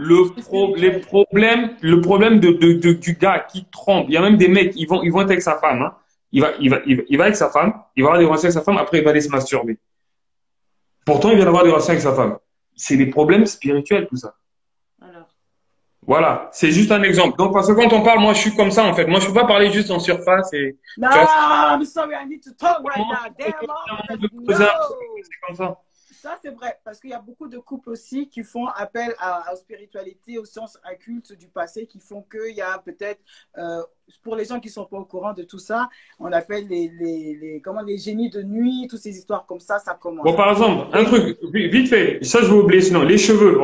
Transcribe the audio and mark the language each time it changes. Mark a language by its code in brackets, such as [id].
[fr] le problème du gars qui trompe, il y a même des mecs, ils vont être avec sa femme. Hein. Il va avec sa femme, il va avoir des relations avec sa femme, après il va aller se masturber. Pourtant, il vient d'avoir des relations avec sa femme. C'est des problèmes spirituels, tout ça. Alors. Voilà, c'est juste un exemple. Donc, parce que quand on parle, moi, je suis comme ça, en fait. Moi, je ne peux pas parler juste en surface. Et... [en] No, I'm sorry, I need to talk right now. Damn, no. [fr] Ça, c'est vrai, parce qu'il y a beaucoup de couples aussi qui font appel à spiritualité, au sens inculte du passé, qui font qu'il y a peut-être, pour les gens qui ne sont pas au courant de tout ça, on appelle les génies de nuit, toutes ces histoires comme ça, ça commence. Bon, par exemple, un truc, vite fait, ça je vais oublier sinon, les cheveux.